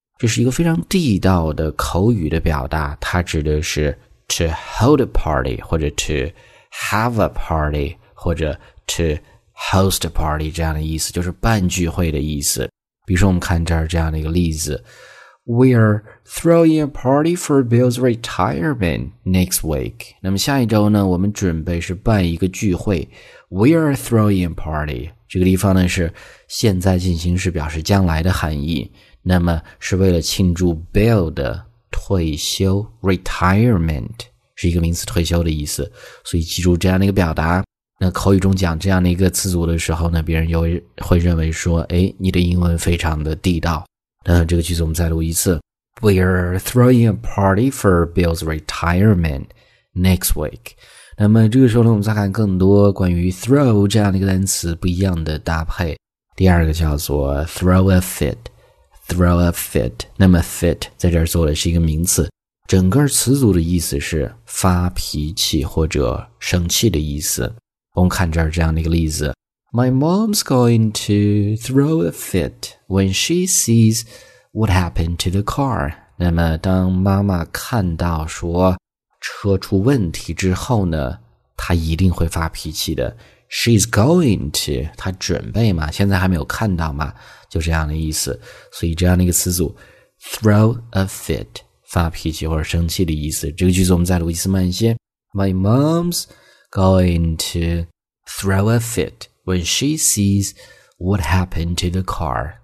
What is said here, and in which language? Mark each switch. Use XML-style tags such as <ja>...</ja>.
<zh>这是一个非常地道的口语的表达，它指的是</zh> <en>to hold a party,</en> <zh>或者</zh> <en>to have a party,</en> <zh>或者</zh> <en>to host a party,</en> <zh>这样的意思就是办聚会的意思。比如说我们看这儿这样的一个例子。</zh> <en>We're throwing a party for Bill's retirement next week.</en> <zh>那么下一周呢，我们准备是办一个聚会。</zh> <en>We're throwing a party.</en> <zh>这个地方呢是现在进行时表示将来的含义。那么是为了庆祝 Bill 的退休 retirement 是一个名词，退休的意思。所以记住这样的一个表达。那口语中讲这样的一个词组的时候呢，别人又会认为说，哎，你的英文非常的地道。那这个句子我们再读一次。</zh> <en>We're throwing a party for Bill's retirement next week.</en> <zh>那么这个时候呢，我们再看更多关于 throw 这样的一个单词不一样的搭配。第二个叫做</zh> <en>throw a fit,throw a fit,</en> <zh>那么 fit 在这儿做的是一个名词，整个词组的意思是发脾气或者生气的意思。我们看这儿这样的一个例子。</zh> <en>My mom's going to throw a fit when she sees what happened to the car.</en> <zh>那么当妈妈看到说车出问题之后呢，她一定会发脾气的。</zh> <en>She's going to,</en> <zh>她准备嘛，现在还没有看到嘛，就这样的意思。所以这样的一个词组</zh> <en>throw a fit,</en> <zh>发脾气或者生气的意思。这个句子我们再读一次，慢一些。</zh> <en>My mom's going to throw a fit when she sees what happened to the car.</en>